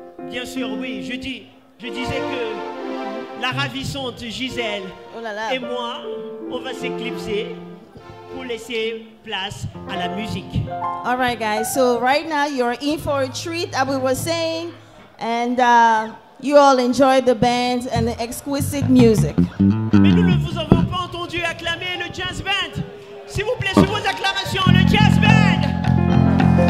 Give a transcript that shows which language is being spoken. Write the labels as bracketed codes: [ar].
[fr] Bien sûr, oui, je disais que la ravissante Gisèle oh là là. Et moi, on va s'éclipser pour laisser place à la musique. [en] All right, guys. So right now, you're in for a treat, as we were saying. And you all enjoy the band and the exquisite music. [fr] Mais nous ne vous avons pas entendu acclamer le jazz band. S'il vous plaît, sur vos acclamations, le jazz band.